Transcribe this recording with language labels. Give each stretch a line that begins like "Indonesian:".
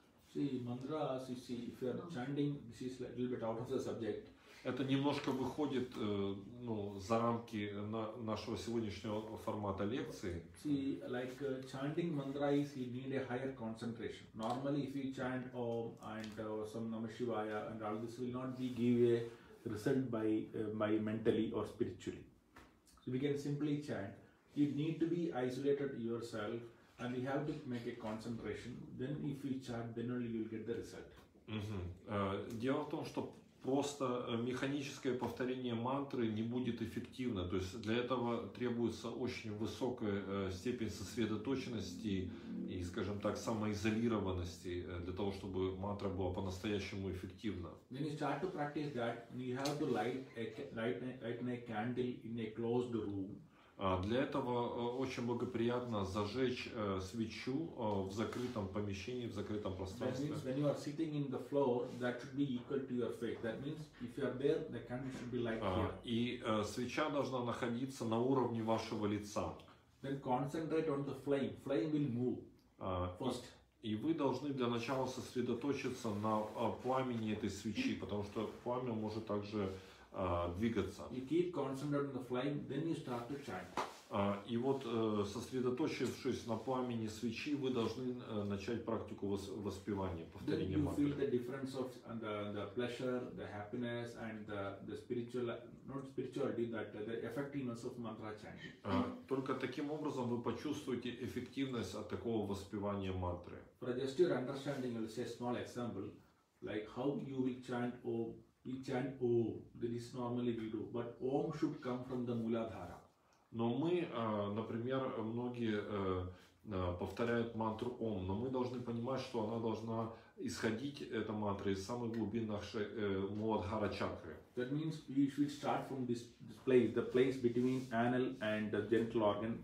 English: See, mantras, you see, if you are chanting, this is like a little bit out of the subject.
Russian: Это немножко выходит за рамки нашего сегодняшнего формата лекции.
English: See, like chanting mantras, you need a higher concentration. Normally, if you chant Om and some Namah Shivaya and all this, will not be give a result by mentally or spiritually. So we can simply chant. You need to be isolated yourself, and you have to make a concentration. Then, if you chant, then only you will get the result.
Russian: Дело в том, что просто механическое повторение мантры не будет эффективно. То есть для этого требуется очень высокая степень сосредоточенности и, скажем так, самоизолированности для того, чтобы мантра была по-настоящему эффективна.
English: When you start to practice that, you have to light a candle in a closed room.
Russian: Для этого очень благоприятно зажечь свечу в закрытом помещении, в закрытом пространстве.
English: That means when you are sitting in the floor, that should be equal to your face. That means if you are there, the candle should be like here.
Russian: И свеча должна находиться на уровне вашего лица.
English: Then concentrate on the flame. Flame will move first.
Russian: И вы должны для начала сосредоточиться на пламени этой свечи, потому что пламя может также двигаться.
English: You keep concentrated on the flame, then you start to chant.
Russian: И вот сосредоточившись на пламени свечи, вы должны начать практику воспевания, повторения мантры.
English: Then you feel the difference of the pleasure, the happiness, and the spiritual, not spirituality, that the effectiveness of mantra chanting.
Russian: Только таким образом вы почувствуете эффективность от такого воспевания мантры.
English: For just your understanding, I'll say a small example, like how you will chant Om. We chant Om, that is normally we do, but Om should come from the Muladhara.
Russian: Но мы, например, многие повторяют мантру Ом, но мы должны понимать, что она должна исходить, эта мантра, из самой глубины нашей Муладхара чакры.
English: That means we should start from this place, the place between anal and the genital organ.